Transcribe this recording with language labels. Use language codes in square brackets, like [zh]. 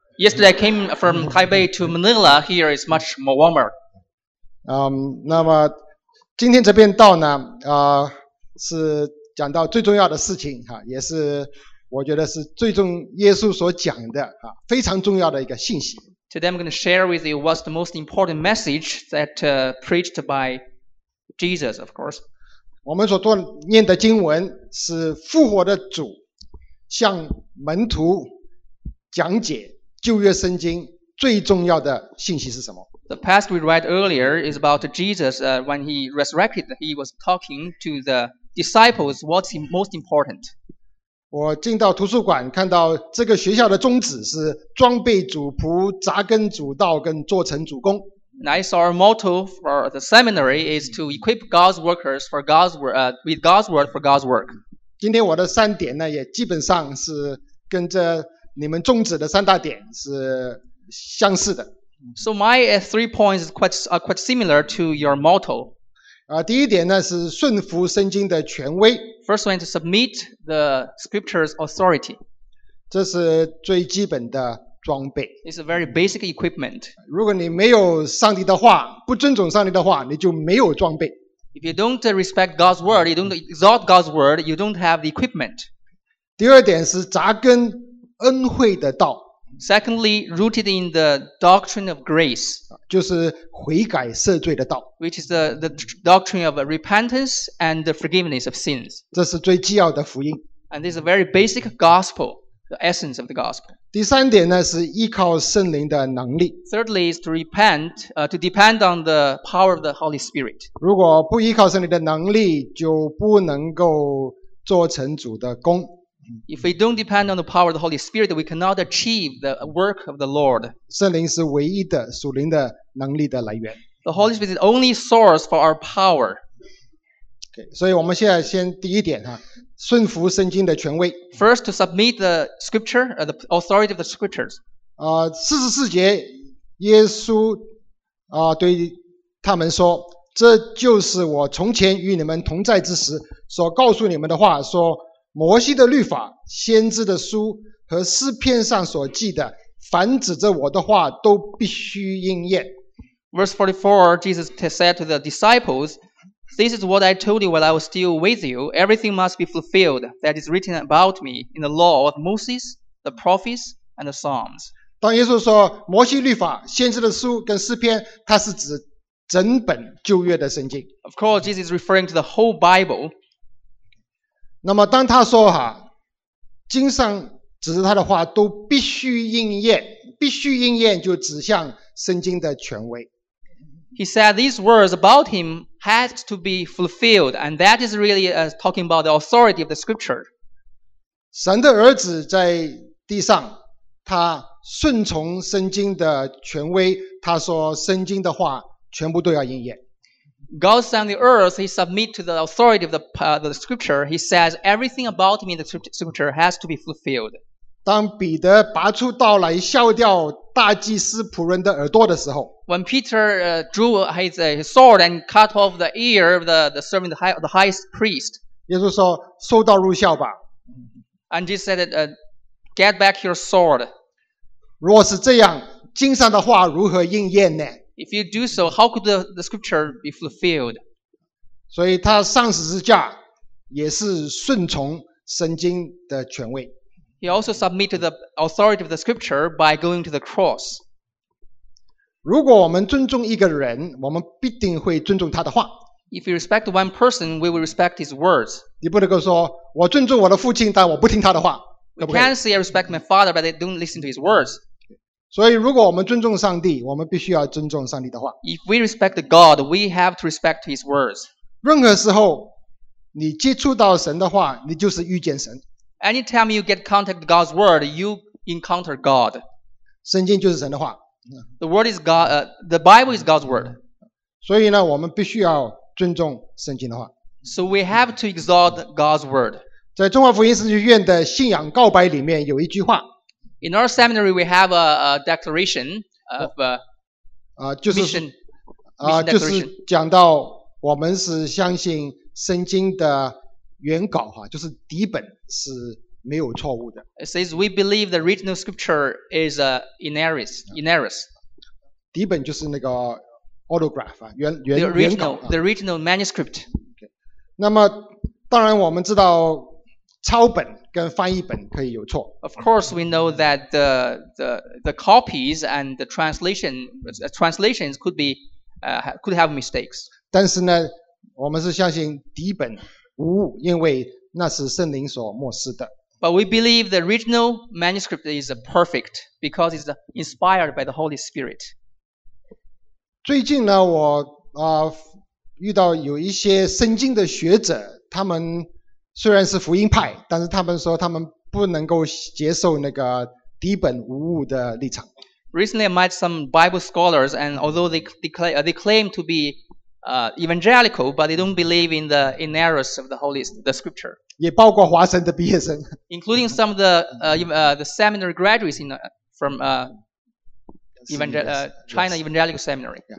[en] Yesterday I came from Taipei to Manila. Here is much more warmer. [zh] 那么今天这边到呢，是讲到最重要的事情哈，也是我觉得是最重耶稣所讲的啊，非常重要的一个信息。 [en] Today I'm going to share with you what's the most important message that preached by Jesus, of course. [zh] 我们所念的经文是复活的主向门徒讲解。旧约圣经最重要的信息是什么？ [en] The passage we read earlier is about Jesus, when he resurrected, he was talking to the disciples, what's most important. [zh] 我进到图书馆看到这个学校的宗旨是装备主仆，扎根主道，跟做成主工。 [en] And I saw our motto for the seminary is to equip God's workers for God's work, with God's word for God's work. [zh] 今天我的三点呢，也基本上是跟这你们宗旨的三大点是相似的。 [en] So my three points is quite similar to your motto. [zh] 第一点呢是顺服圣经的权威。 [en] First one is to submit the scripture's authority. [zh] 这是最基本的装备。 [en] It's a very basic equipment. [zh] 如果你没有上帝的话，不尊重上帝的话，你就没有装备。 [en] If you don't respect God's word, you don't exalt God's word, you don't have the equipment. [zh] 第二点是扎根恩惠的道。 [en] Secondly, rooted in the doctrine of grace, [zh] 就是悔改赦罪的道。 [en] Which is the doctrine of repentance and the forgiveness of sins. [zh] 这是最基要的福音。 [en] And this is a very basic gospel, the essence of the gospel. [zh] 第三点呢是依靠圣灵的能力。 [en] Thirdly is to repent, to depend on the power of the Holy Spirit. [zh] 如果不依靠圣灵的能力，就不能够做成主的工。 [en] If we don't depend on the power of the Holy Spirit, we cannot achieve the work of the Lord. [zh] 圣灵是唯一的属灵的能力的来源。 [en] The Holy Spirit is the only source for our power. [zh] Okay, 所以我们现在先第一点，顺服圣经的权威。 [en] First, to submit the scripture, the authority of the scriptures. [zh] 44节，耶稣对他们说，这就是我从前与你们同在之时所告诉你们的话，说摩西的律法、先知的书和诗篇上所记的，凡指着我的话都必须应验。 [en] Verse 44, Jesus said to the disciples, "This is what I told you while I was still with you. Everything must be fulfilled that is written about me in the law of Moses, the prophets, and the Psalms." [zh] 当耶稣说摩西律法、先知的书跟诗篇，他是指整本旧约的圣经。 [en] Of course, Jesus is referring to the whole Bible. [zh] 那么当他说经上指着他的话都必须应验，必须应验就指向圣经的权威。 [en] He said these words about him had to be fulfilled, and that is really talking about the authority of the scripture. [zh] 神的儿子在地上，他顺从圣经的权威，他说圣经的话全部都要应验。 [en] God on the earth, he submit to the authority of the scripture. He says everything about me in the scripture has to be fulfilled. [zh] 当彼得拔出刀来削掉大祭司仆人的耳朵的时候， [en] when Peter drew his sword and cut off the ear of the servant of the high priest, [zh] 耶稣说收刀入鞘吧。 [en] And Jesus said, get back your sword. [zh] 若是这样，经上的话如何应验呢？ [en] If you do so, how could the scripture be fulfilled? [zh] 所以他上十字架也是顺从圣经的权威。 [en] He also submitted the authority of the scripture by going to the cross. [zh] 如果我们尊重一个人，我们必定会尊重他的话。 [en] If you respect one person, we will respect his words. [zh] 你不能够说我尊重我的父亲，但我不听他的话。 [en] We can't say I respect my father, but I don't listen to his words. [zh] 所以如果我们尊重上帝，我们必须要尊重上帝的话。 [en] If we respect God, we have to respect his words. [zh] 任何时候你接触到神的话，你就是遇见神。 [en] Anytime you get contact with God's word, you encounter God. [zh] 圣经就是神的话。 [en] The word is God, the Bible is God's word. [zh] 所以呢，我们必须要尊重圣经的话。 [en] So we have to exalt God's word. [zh] 在中华福音神学院的信仰告白里面有一句话。 [en] In our seminary, we have a declaration of a mission declaration. [zh] 就是讲到我们是相信圣经的原稿，就是底本是没有错误的。 [en] It says we believe the original scripture is inerrant. [zh] 底本就是那个 autograph 啊，原 [en] 稿。The original manuscript. Okay. [zh] 那么当然我们知道抄本跟翻译本可以有错。 [en] Of course, we know that the copies and the translations could have mistakes. [zh] 但是呢，我们是相信底本无误，因为那是圣灵所默示的。 [en] But we believe the original manuscript is perfect because it's inspired by the Holy Spirit. [zh] 最近呢，我遇到有一些圣经的学者，他们虽然是福音派，但是他们说他们不能够接受那个底本无误的立场。 [en] Recently, I met some Bible scholars, and although they claim to be evangelical, but they don't believe in the inerrancy of the scripture. [zh] 也包括华神的毕业生。 [en] Including some of the seminary graduates China Evangelical Seminary.